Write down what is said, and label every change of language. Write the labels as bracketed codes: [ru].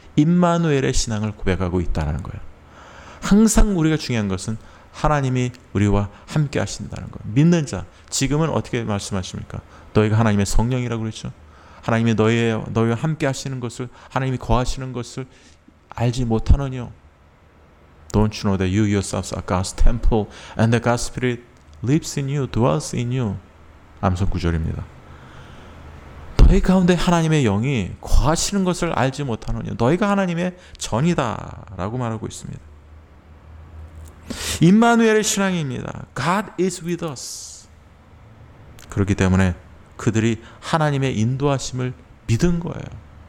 [ko] 임마누엘의 신앙을 고백하고 있다는 거예요. 항상 우리가 중요한 것은 하나님이 우리와 함께 하신다는 거예요. 믿는 자, 지금은 어떻게 말씀하십니까? 너희가 하나님의 성령이라고 그랬죠? 하나님이 너희와 함께 하시는 것을, 하나님이 거하시는 것을 알지 못하느냐? [en] Don't you know that you yourselves are God's temple and the God's Spirit lives in you, dwells in you? [ko] 암송 9절입니다. 너희 가운데 하나님의 영이 거하시는 것을 알지 못하느냐? 너희가 하나님의 전이다 라고 말하고 있습니다. 임마누엘의 신앙입니다. [en] God is with us. [ko] 그렇기 때문에 그들이 하나님의 인도하심을 믿은 거예요.